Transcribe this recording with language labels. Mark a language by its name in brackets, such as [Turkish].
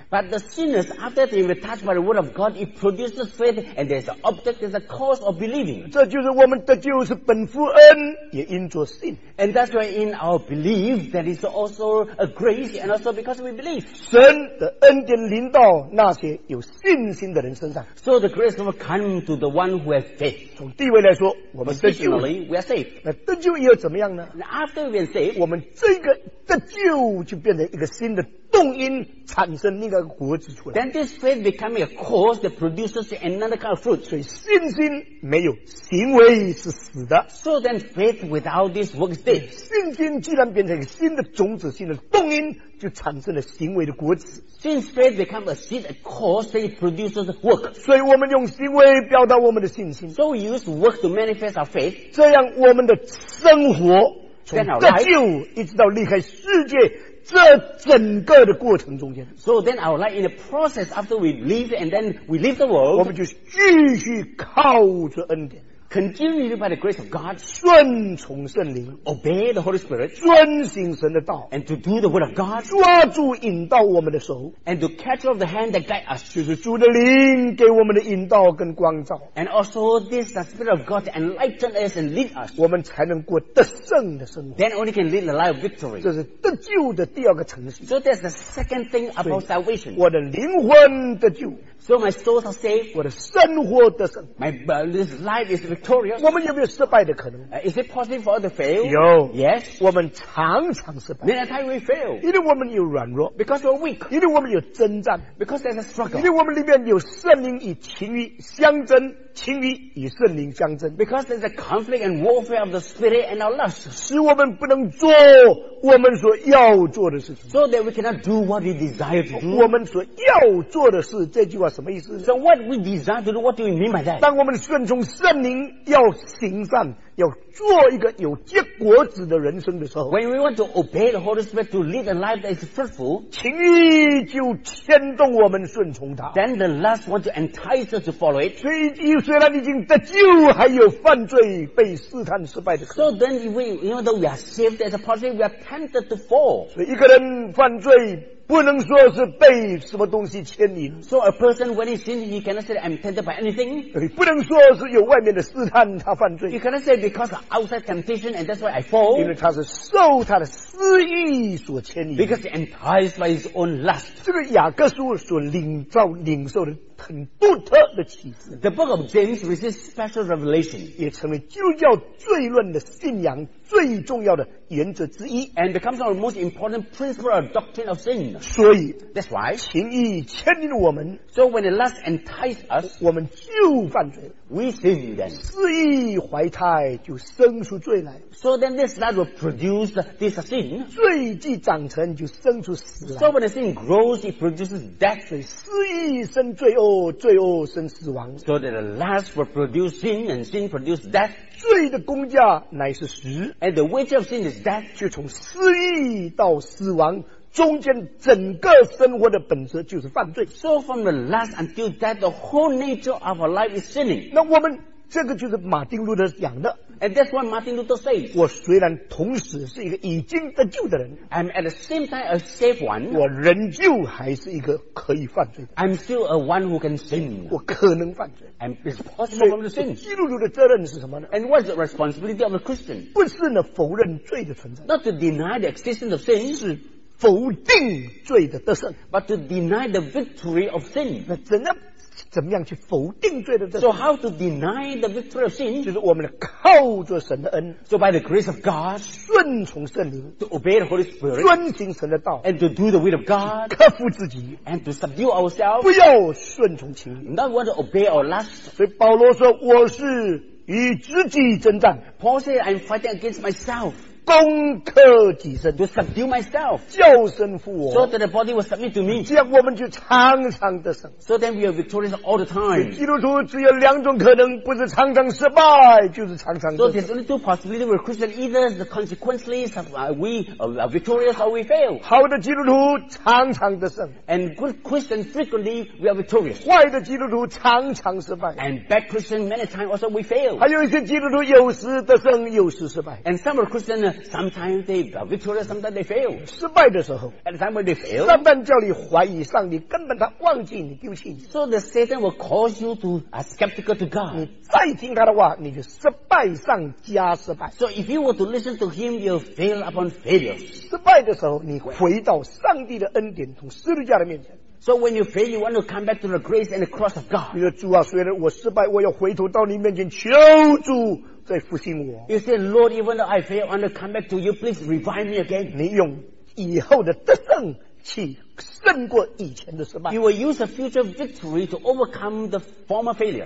[English] But the sinners, after they were touched by the word of God, it produces faith, and there's an object, there's a cause of believing. [Chinese] 这就是我们的救是本乎恩，也因着信。 [English] And that's why in our belief, that is also a grace, and also because we believe. [Chinese] 神的恩典临到那些有信心的人身上。 [English] So the grace will come to the one who has faith. [Chinese] 从地位来说，我们得救。 [English] Positionally, we are saved. [Chinese] 那得救又怎么样呢？ [English] After we are saved, [Chinese] 我们这个得救就变成一个个新的动因产生另一个果子出来。 [English] Then this faith becoming a cause that produces another kind of fruit. [Chinese] 所以信心没有，行为是死的。 [English] So then faith without this works dead. [Chinese] 信心既然变成新的种子、新的动因，就产生了行为的果子。 [English] Since faith becomes a seed, a cause, then it produces work. [Chinese] 所以我们用行为表达我们的信心。 [English] So we use work to manifest our faith. [Chinese] 这样我们的生活从得救一直到离开世界。这整个的过程中间 [English] So then our life in the process after we leave and then we leave the world [Chinese] 我们就继续靠着恩典 [English] Continually by the grace of God [Chinese] 顺从圣灵 [English] Obey the Holy Spirit [Chinese] 遵行神的道 [English] And to do the word of God [Chinese] 抓住引导我们的手 [English] And to catch off the hand that guide us [Chinese] 就是主的灵给我们的引导跟光照 [English] And also this the Spirit of God to enlighten us and lead us [Chinese] 我们才能过得胜的生活 [English] Then only can lead the life of victory [Chinese] 这是得救的第二个程序 [English] So that's the second thing about salvation [Chinese] 我的灵魂得救 [English] So my souls are saved [Chinese] 我的生活得胜 [English] This life is victorious [Chinese] 我们有没有失败的可能 [English] Is it possible for us to fail? [Chinese] 有 [English] Yes [Chinese] 我们常常失败 [English] Many times we fail [Chinese] 因为我们有软弱 [English] Because we're weak [Chinese] 因为我们有征战 [English] Because there's a struggle [Chinese] 因为我们里面有圣灵与情欲相争情欲与圣灵相争 [English] Because there's a conflict and warfare of the spirit and our lust [Chinese] 使我们不能做我们所要做的事情 [English] So that we cannot do what we desire to do [Chinese] 我们所要做的事这句话什么意思 [English] So what we desire to do What do you mean by that? [Chinese] 当我们顺从圣灵要行善要做一个有结果子的人生的时候 [English] When we want to obey the Holy Spirit to lead a life that is fruitful [Chinese] 情欲就牵动我们顺从他 [English] Then the lust want to entice us to follow it [Chinese] 所以虽然已经得救还有犯罪被试探失败的可能 [English] So then even though we are saved as a person we are tempted to fall [Chinese] 所以一个人犯罪不能说是被什么东西牵引 [English] So a person when he sins he cannot say I'm tempted by anything [Chinese] 不能说是有外面的试探他犯罪 [English] You cannot say because of outside temptation and that's why I fall [Chinese] 因为他是受他的私欲所牵引 [English] Because he's enticed by his own lust [Chinese] 这个雅各书所领受的很独特的启示 [English] The book of James receives special revelation [Chinese] 也成为基督教罪论的信仰最重要的原则之一 [English] and becomes our most important principle or doctrine of sin [Chinese] 所以 [English] that's why [Chinese] 情欲牵引我们 [English] so when the lust entice us [Chinese] 我们就犯罪 [English] we sin then [Chinese] 私欲怀胎就生出罪来 [English] so then this lust will produce this sin [Chinese] 罪既长成就生出死来 [English] so when the sin grows it produces death [Chinese] 所以私欲生罪恶罪恶生死亡 [English] so that the lust will produce sin and sin produce death [Chinese] 罪的工价乃是死 [English] and the wage of sin is death [Chinese] 就从私欲到死亡中间整个生活的本质就是犯罪 [English] so from the lust until death the whole nature of our life is sinning [Chinese] 那我们这个就是马丁路德讲的 [English] and that's what Martin Luther says [Chinese] 我虽然同时是一个已经得救的人 [English] I'm at the same time a saved one [Chinese] 我仍旧还是一个可以犯罪的 [English] I'm still a one who can sin [Chinese] 我可能犯罪 [English] and it's possible from the sin [Chinese] 基督徒的责任是什么呢 [English] and what's the responsibility of a Christian [Chinese] 不是呢否认罪的存在 [English] not to deny the existence of sin [Chinese] 是否定罪的得胜 [English] but to deny the victory of sin [Chinese] 那怎样怎么样去否定罪的 [English] So how to deny the victory of sin [Chinese] 就是我们靠着神的恩 [English] So by the grace of God [Chinese] 顺从圣灵 [English] To obey the Holy Spirit [Chinese] 遵行神的道 [English] And to do the will of God [Chinese] 克服自己 [English] And to subdue ourselves [Chinese] 不要顺从情 [English] Not want to obey our lust [Chinese] 所以保罗说我是与自己征战 [English] Paul said I'm fighting against myself [Chinese] 攻克己身 [English] To subdue myself [Chinese] 叫身负我 [English] So that the body will submit to me [Chinese] 这样我们就常常得胜 [English] So then we are victorious all the time [Chinese] 基督徒只有两种可能不是常常失败就是常常得胜 [English] So there's only two possibilities We're Christian either consequently we are victorious or we fail [Chinese] 好的基督徒常常得胜 [English] And good Christians frequently we are victorious [Chinese] 坏的基督徒常常失败 [English] And bad Christians many times also we fail [Chinese] 还有一些基督徒有时得胜有时失败 [English] And some are Christians Sometimes they are victorious, sometimes they fail. [Chinese] 失败的时候 [English] At the time when they fail, [Chinese] 撒旦叫你怀疑上帝，根本他忘记你，丢弃你。 [English] So the Satan will cause you to a skeptical to God. [Chinese] 你再听他的话，你就失败上加失败。 [English] So if you were to listen to him, you'll fail upon failure. [Chinese] 失败的时候，你回到上帝的恩典，从十字架的面前。 [English] So when you fail, you want to come back to the grace and the cross of God. [Chinese] 你说主啊，虽然我失败，我要回头到你面前求主。 [English] You say, Lord, even though I fail, I want to come back to you. Please revive me again. [Chinese] 你用以后的得胜去胜过以前的失败。 [English] He will use a future victory to overcome the former failure.